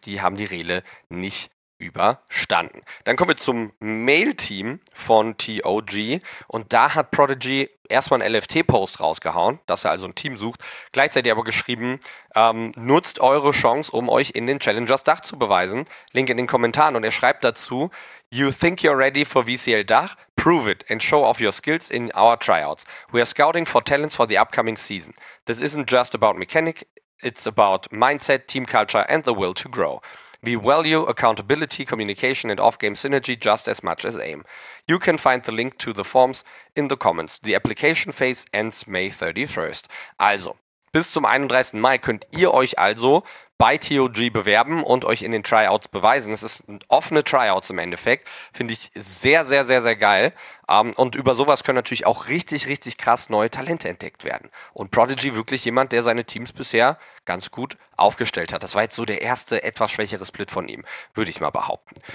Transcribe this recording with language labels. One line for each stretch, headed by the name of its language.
German: Die haben die Rehle nicht überstanden. Dann kommen wir zum Mail-Team von TOG und da hat Prodigy erstmal einen LFT-Post rausgehauen, dass er also ein Team sucht, gleichzeitig aber geschrieben, nutzt eure Chance, um euch in den Challengers Dach zu beweisen. Link in den Kommentaren und er schreibt dazu,
English: you think you're ready for VCL Dach? Prove it and show off your skills in our tryouts. We are scouting for talents for the upcoming season. This isn't just about mechanic, it's about mindset, team culture and the will to grow. We value accountability, communication and off-game synergy just as much as AIM. You can find the link to the forms in the comments. The application phase ends May 31st.
German: Also, bis zum 31. Mai könnt ihr euch also bei TOG bewerben und euch in den Tryouts beweisen. Es ist offene Tryouts im Endeffekt. Finde ich sehr, sehr, sehr, sehr geil. Und über sowas können natürlich auch richtig, richtig krass neue Talente entdeckt werden. Und Prodigy wirklich jemand, der seine Teams bisher ganz gut aufgestellt hat. Das war jetzt so der erste etwas schwächere Split von ihm, würde ich mal behaupten.